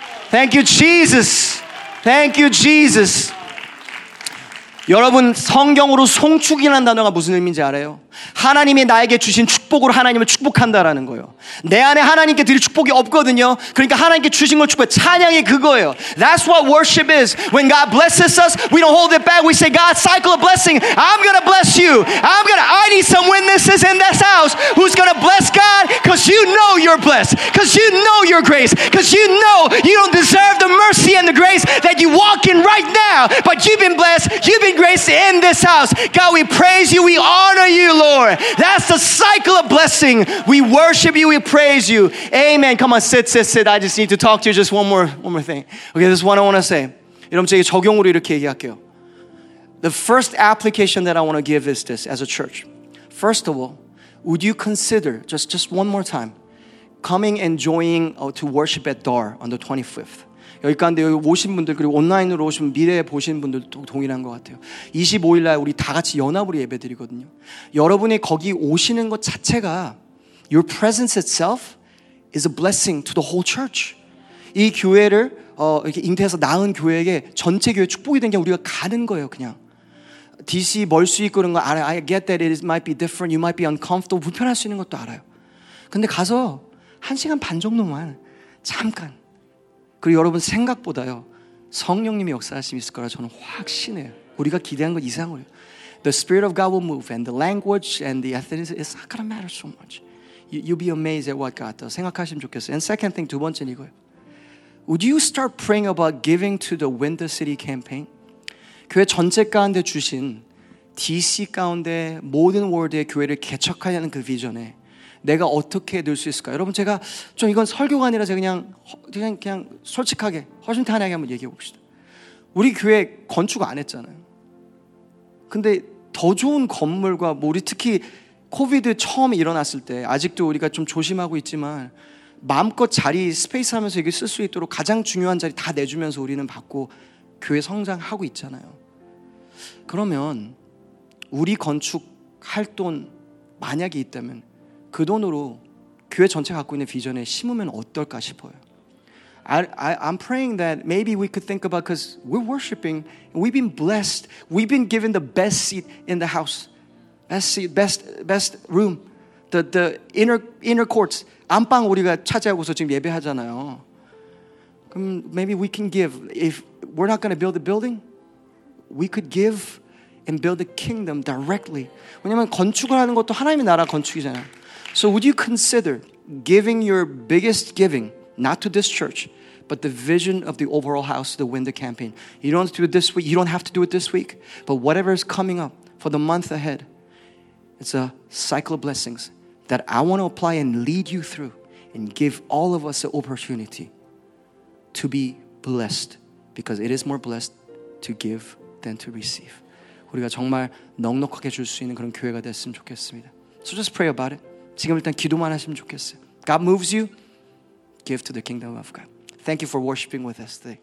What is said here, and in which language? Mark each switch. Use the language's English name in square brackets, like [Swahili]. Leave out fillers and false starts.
[English] Thank you, Jesus. Thank you, Jesus. [Korean] 여러분, 성경으로 송축이라는 단어가 무슨 의미인지 알아요? 하나님이 나에게 주신 축복으로 하나님을 축복한다라는 거예요. 내 안에 하나님께 드릴 축복이 없거든요. 그러니까 하나님께 주신 걸 축복해. 찬양이 그거예요. [English] That's what worship is. When God blesses us, we don't hold it back. We say, God, cycle of blessing. I'm going to bless you. I need some witnesses in this house who's going to bless God because you know you're blessed. Because you know your grace. Because you know you don't deserve the mercy and the grace that you walk in right now. But you've been blessed. You've been graced in this house. God, we praise you. We honor you. Lord, that's the cycle of blessing. We worship you, we praise you. Amen. Come on, sit. I just need to talk to you. Just one more thing. Okay, this is what I want to say. [Korean] 여러분, 제가 적용으로 이렇게 얘기할게요. [English] The first application that I want to give is this as a church. First of all, would you consider just one more time coming and joining to worship at Dar on the 25th? [Korean] 여기 가운데 오신 분들 그리고 온라인으로 오신 미래에 보신 분들도 동일한 것 같아요. 25일날 우리 다 같이 연합으로 예배드리거든요. 여러분이 거기 오시는 것 자체가 [English] Your presence itself is a blessing to the whole church. [Korean] 이 교회를 이렇게 잉태해서 낳은 교회에게 전체 교회 축복이 된 게 우리가 가는 거예요 그냥. DC 멀 수 있고 그런 거 알아요. [English] I get that it might be different. You might be uncomfortable. [Korean] 불편할 수 있는 것도 알아요. 근데 가서 한 시간 반 정도만 잠깐 그리고 여러분 생각보다요 성령님이 역사하심이 있을 거라 저는 확신해요. 우리가 기대한 것 이상으로 [English] The Spirit of God will move and the language and the ethnicity is not gonna matter so much. You'll be amazed at what God does. [Korean] 생각하시면 좋겠어요. [English] And second thing, [Korean] 두 번째는 이거예요. [English] Would you start praying about giving to the Winter City campaign? [Korean] 교회 전체 가운데 주신 DC 가운데 모든 월드의 교회를 개척하려는 그 비전에 내가 어떻게 넣을 수 있을까? 여러분 제가 좀 이건 설교가 아니라 제가 그냥 솔직하게 허심탄회하게 한번 얘기해 봅시다. 우리 교회 건축 안 했잖아요. 근데 더 좋은 건물과 뭐 우리 특히 코비드 처음 일어났을 때 아직도 우리가 좀 조심하고 있지만 마음껏 자리 스페이스 하면서 이게 쓸 수 있도록 가장 중요한 자리 다 내주면서 우리는 받고 교회 성장하고 있잖아요. 그러면 우리 건축할 돈 만약에 있다면 그 돈으로 교회 전체 갖고 있는 비전에 심으면 어떨까 싶어요. [English] I'm praying that maybe we could think about because we're worshiping, we've been blessed, we've been given the best seat in the house, best room, the inner courts. [Korean] 안방 우리가 차지하고서 지금 예배하잖아요. 그럼 [English] maybe we can give if we're not going to build a building, we could give and build a kingdom directly. [Korean] 왜냐면 건축을 하는 것도 하나님의 나라 건축이잖아요. [English] So would you consider giving your biggest giving, not to this church, but the vision of the overall house, the Winter campaign? You don't have to do it this week. You don't have to do it this week. But whatever is coming up for the month ahead, it's a cycle of blessings that I want to apply and lead you through and give all of us the opportunity to be blessed because it is more blessed to give than to receive. [Korean] 우리가 정말 넉넉하게 줄 수 있는 그런 교회가 됐으면 좋겠습니다. [English] So just pray about it. [Korean] 지금 일단 기도만 하시면 좋겠어요. [English] God moves you, give to the kingdom of God. Thank you for worshiping with us today.